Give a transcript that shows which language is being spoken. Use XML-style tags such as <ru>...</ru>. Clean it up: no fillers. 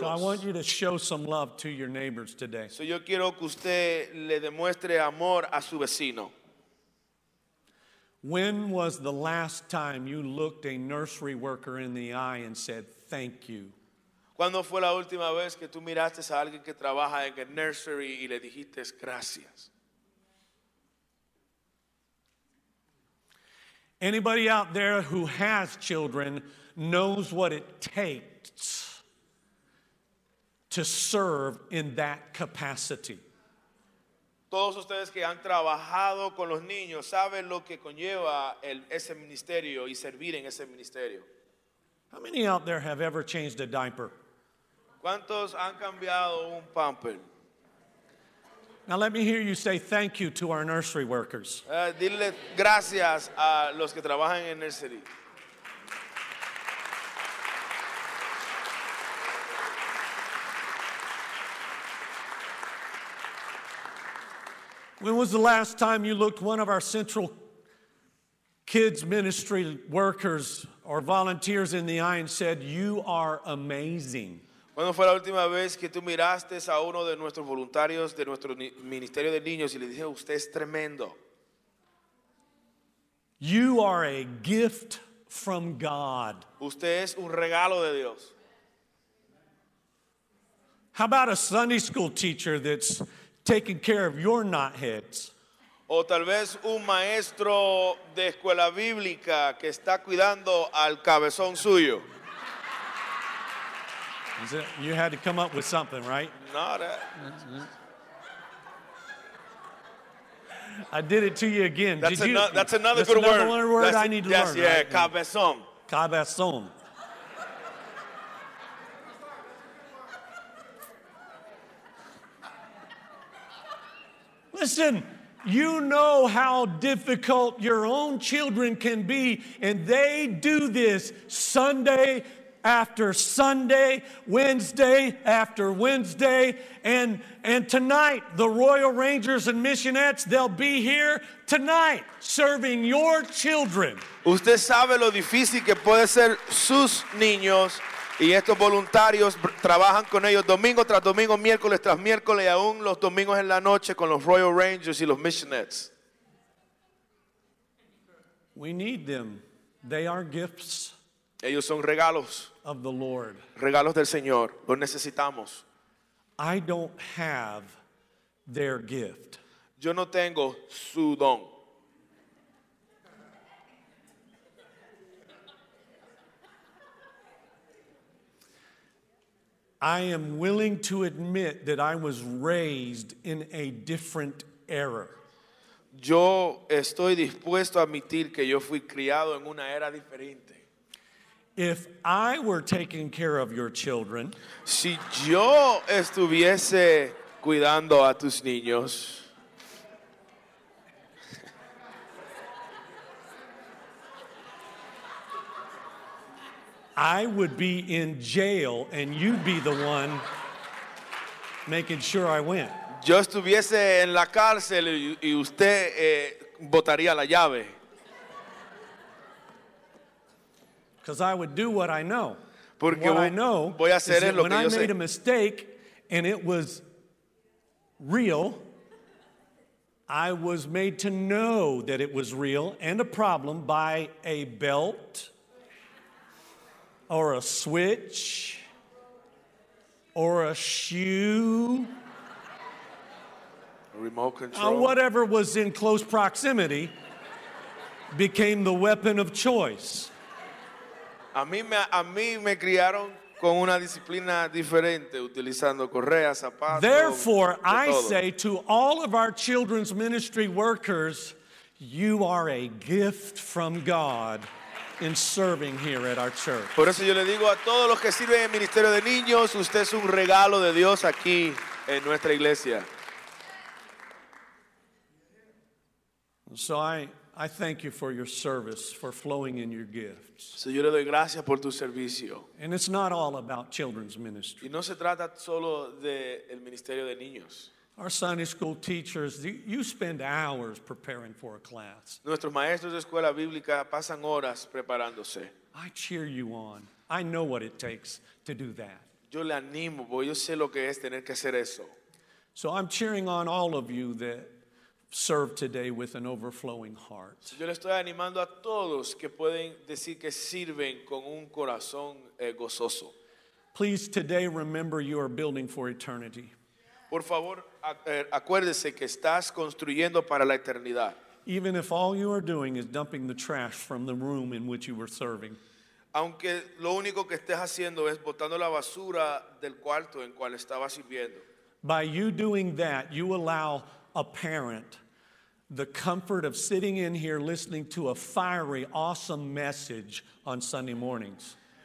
<en>So I want you to show some love to your neighbors today.</en> <es>So yo quiero que usted le demuestre amor a su vecino.</es> <en>When was the last time you looked a nursery worker in the eye and said, thank you?</en> <es>¿Cuándo fue la última vez que tú miraste a alguien que trabaja en el nursery y le dijiste gracias?</es> <en>Anybody out there who has children knows what it takes to serve in that capacity.</en> <es>Todos ustedes que han trabajado con los niños saben lo que conlleva ese ministerio y servir en ese ministerio.</es> <en>How many out there have ever changed a diaper?</en> <es>¿Cuántos han cambiado un pamper?</es> <en>Now let me hear you say thank you to our nursery workers.</en> <es>Dile gracias a los que trabajan en nursery.</es> <en>When was the last time you looked one of our central kids ministry workers or volunteers in the eye and said, you are amazing?</en> <es>¿Cuándo fue la última vez que tú miraste a uno de nuestros voluntarios de nuestro ministerio de niños y le dije, usted es tremendo?</es> <en>You are a gift from God.</en> <es>Usted es un regalo de Dios.</es> <en>How about a Sunday school teacher that's taking care of your knotheads?</en> <es>O tal vez un maestro de escuela bíblica que está cuidando al cabezón suyo.</es> <en>Is it, you had to come up with something, right? Not at. I did it to you again. That's, did you, that's another good another word. Another word that's, I need to learn. Yeah, right?</en> <es>Cabezón. Cabezón.</es> <en>Listen. You know how difficult your own children can be, and they do this Sunday after Sunday, Wednesday after Wednesday, and tonight the Royal Rangers and Missionettes, they'll be here tonight serving your children.</en> <es>Usted sabe lo difícil que puede ser sus niños, y estos voluntarios trabajan con ellos domingo tras domingo, miércoles tras miércoles, y aún los domingos en la noche con los Royal Rangers y los Missionettes.</es> <en>We need them. They are gifts.</en> <es>Ellos son regalos.</es> <en>Of the Lord.</en> <es>Regalos del Señor. Los necesitamos.</es> <en>I don't have their gift.</en> <es>Yo no tengo su don.</es> <en>I am willing to admit that I was raised in a different era.</en> <es>Yo estoy dispuesto a admitir que yo fui criado en una era diferente.</es> <en>If I were taking care of your children,</en> <es>si yo estuviese cuidando a tus niños,</es> <en>I would be in jail and you'd be the one making sure I went.</en> <es>Yo estuviese en la cárcel y usted botaría la llave.</es> <en>Because I would do what I know.</en> <es>Porque</es> <en>what I know</en> <es>voy a hacer</es> <en>is that when I made</en> <es>sé.</es> <en>A mistake and it was real, I was made to know that it was real and a problem by a belt. or a switch or a shoe. Remote control. Whatever was in close proximity became the weapon of choice.</en> <es>A mí me criaron con una disciplina diferente, utilizando correa, zapatos.</es> <en>Therefore, I say to all of our children's ministry workers, you are a gift from God in serving here at our church.</en> <es>Por eso yo le digo a todos los que sirven en ministerio de niños, usted es un regalo de Dios aquí en nuestra iglesia.</es> <en>So I thank you for your service, for flowing in your gifts.</en> <es>So yo le doy gracias por tu servicio.</es> <en>And it's not all about children's ministry.</en> <es>Y no se trata solo del ministerio de niños.</es> <en>Our Sunday school teachers, you spend hours preparing for a class.</en> <es>Nuestros maestros de escuela bíblica pasan horas preparándose.</es> <en>I cheer you on. I know what it takes to do that.</en> <es>Yo le animo, porque yo sé lo que es tener que hacer eso.</es> <en>So I'm cheering on all of you that serve today with an overflowing heart.</en> <es>Yo le estoy animando a todos que pueden decir que sirven con un corazón gozoso.</es> <en>Please today remember you are building for eternity.</en> <es>Por favor, acuérdese que estás construyendo para la eternidad.</es> <en>Even if all you are doing is dumping the trash from the room in which you were serving.</en> <es>Aunque lo único que estés haciendo es botando la basura del cuarto en cual estabas sirviendo.</es> <en>By you doing that, you allow a parent the comfort of sitting in here listening to a fiery, awesome message on Sunday mornings.</en>